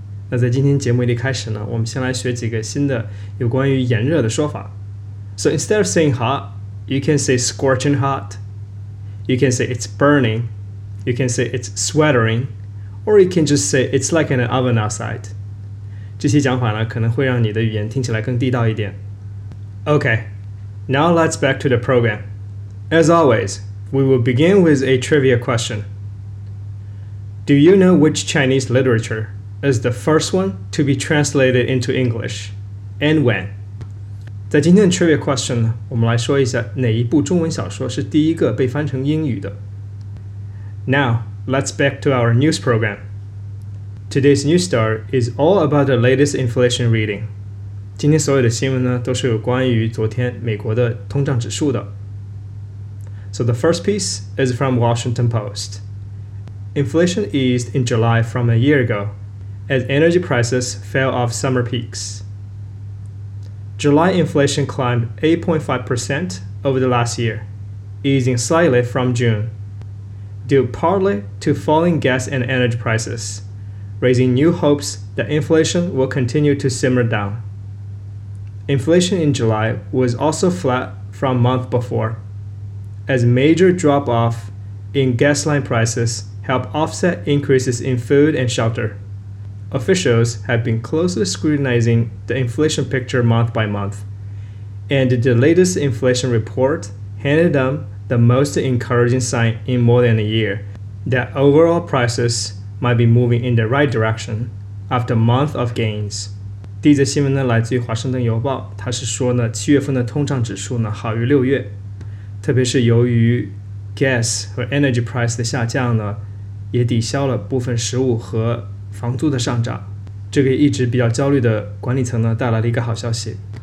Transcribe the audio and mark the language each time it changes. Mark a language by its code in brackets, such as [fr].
[zh] 那在今天节目的开始呢，我们先来学几个新的有关于炎热的说法。 [en] So instead of saying hot,You can say scorching hot. You can say it's burning. You can say it's sweating. Or you can just say it's like an oven outside. [zh] 这些讲法呢，可能会让你的语言听起来更地道一点。 [en] Okay, now let's back to the program. As always, we will begin with a trivia question. Do you know which Chinese literature is the first one to be translated into English? And when? [zh] 在今天的 trivia question 呢，我们来说一下哪一部中文小说是第一个被翻成英语的。 [en] Now, let's back to our news program. Today's news story is all about the latest inflation reading. 今天所有的新闻呢，都是有关于昨天美国的通胀指数的。 So the first piece is from Washington Post. Inflation eased in July from a year ago, as energy prices fell off summer peaks. July inflation climbed 8.5% over the last year, easing slightly from June, due partly to falling gas and energy prices, raising new hopes that inflation will continue to simmer down. Inflation in July was also flat from month before, as major drop-off in gas line prices helped offset increases in food and shelter. Officials have been closely scrutinizing the inflation picture month by month, and the latest inflation report handed them the most encouraging sign in more than a year that overall prices might be moving in the right direction after months of gains. [zh] 第一则新闻呢来自于华盛顿邮报，它是说呢七月份的通胀指数呢好于六月，特别是由于 gas 和 energy price 的下降呢，也抵消了部分食物和房租的上涨，这个一直比较焦虑的管理层呢带来了一个好消息。